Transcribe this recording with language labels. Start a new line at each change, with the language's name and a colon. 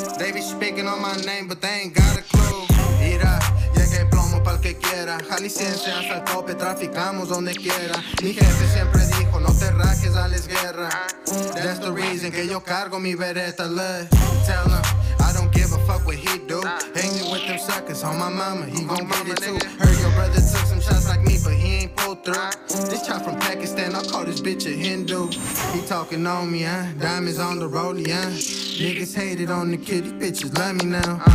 English: They be speaking on my name, but they ain't got a clue.
Spanish: Mira, llegué plomo pa'l que quiera. Jalisciense hasta el tope, traficamos donde quiera. Mi jefe siempre dijo, no te rajes, dales guerra.
English: That's the reason
Spanish: que yo cargo mi Beretta, look.
English: Tell him, I don't give a fuck what he do. Hanging with them suckers, on my mama, he gon' get it too. Heard your brother took some shots like me, but he ain't pulled through. This child from Pakistan, I call this bitch a Hindu. He talking on me, diamonds on the rollie, Niggas hated on the kid, these bitches love me now.